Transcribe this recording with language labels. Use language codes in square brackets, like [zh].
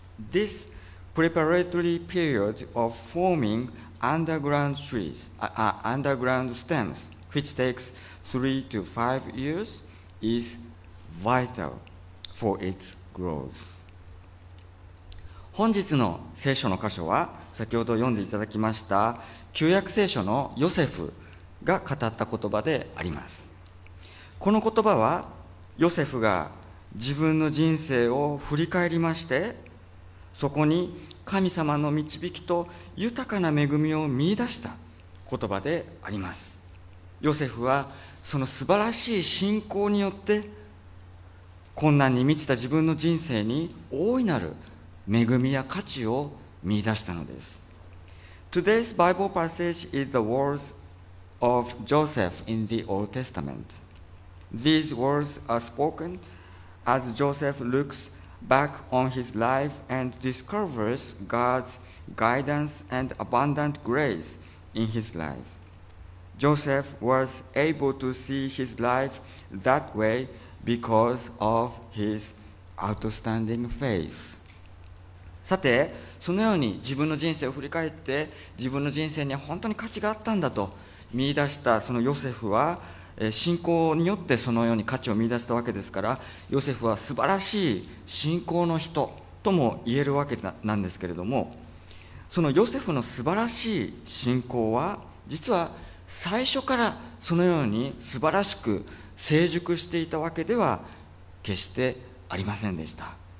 [en] This preparatory period of forming underground trees, underground stems, which takes 3 to 5 years, is vital for its growth. [ja] 本日の聖書の箇所は、先ほど読んでいただきました旧約聖書のヨセフが語った言葉であります。この言葉はヨセフが自分の人生を振り返りまして、そこに神様の導きと豊かな恵みを見出した言葉であります。ヨセフはその素晴らしい信仰によって困難に満ちた自分の人生に大いなる恵みや価値を見出したのです。 [en] Today's Bible passage is the words of Joseph in the Old Testament. These words are spoken as Joseph looks back on his life and discovers God's guidance and abundant grace in his life. Joseph was able to see his life that way because of his outstanding faith. [ja] さて、そのように自分の人生を振り返って、自分の人生には本当に価値があったんだと見出したそのヨセフは、信仰によってそのように価値を見出したわけですから、ヨセフは素晴らしい信仰の人とも言えるわけなんですけれども、そのヨセフの素晴らしい信仰は実は最初からそのように素晴らしく成熟していたわけでは決してありませんでした。